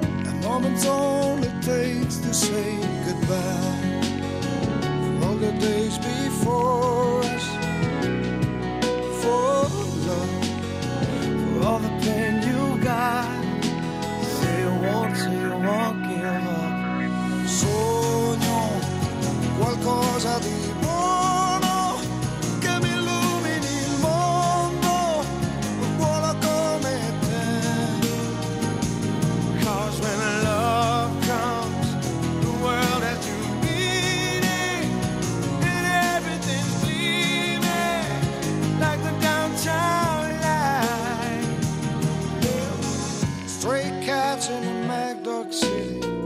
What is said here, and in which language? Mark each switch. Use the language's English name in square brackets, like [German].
[English] A moment's all it takes to say goodbye. For all the days before us. For love. For all the pain you got. Say you won't, say you won't give up. [Italian] So qualcosa di buono che mi illumini il mondo, un buono come te. [English] Cause when love comes, the world has new meaning, and everything's gleaming like the downtown light. Stray cats in a mad dog city.